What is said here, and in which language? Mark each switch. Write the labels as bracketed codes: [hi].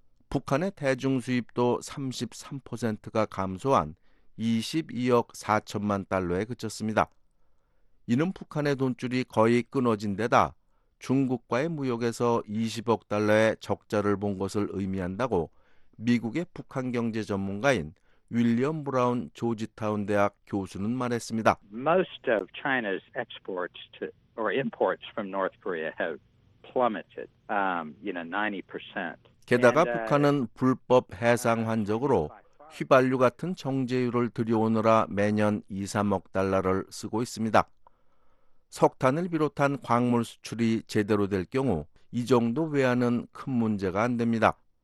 [ko] 북한의 대중 수입도 33%가 감소한 22억 4천만 달러에 그쳤습니다. 이는 북한의 돈줄이 거의 끊어진 데다 중국과의 무역에서 20억 달러의 적자를 본 것을 의미한다고 미국의 북한 경제 전문가인 윌리엄 브라운 조지타운 대학 교수는 말했습니다. [en] Most of China's exports to or imports from North Korea have plummeted, you know, 90%. [ko] 게다가 북한은 불법 해상 환적으로 휘발유 같은 정제유를 들여오느라 매년 2~3억 달러를 쓰고 있습니다. 석탄을 비롯한 광물 수출이 제대로 될 경우 이 정도 외환은 큰 문제가 안 됩니다.